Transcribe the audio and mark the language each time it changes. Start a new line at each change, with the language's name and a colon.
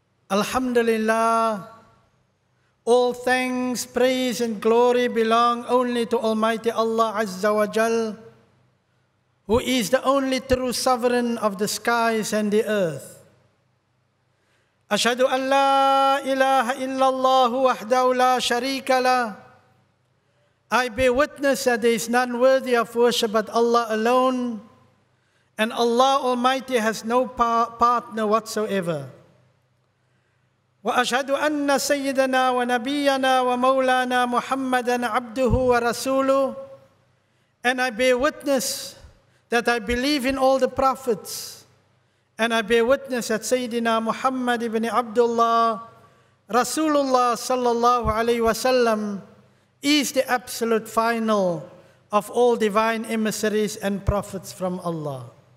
English: Alhamdulillah, all thanks, praise, and glory belong only to Almighty Allah Azza wa Jal, who is the only true sovereign of the skies and the earth.
Arabic: أشهد أن لا إله إلا الله وحده لا شريك له.
English: I bear witness that there is none worthy of worship but Allah alone, and Allah Almighty has no partner whatsoever.
Arabic: وأشهد أن سيدنا ونبينا ومولانا محمدا عبده ورسوله.
English: And I bear witness that I believe in all the prophets. And I bear witness that Sayyidina Muhammad ibn Abdullah, Rasulullah sallallahu alayhi wa sallam, is the absolute final of all divine emissaries and prophets from Allah.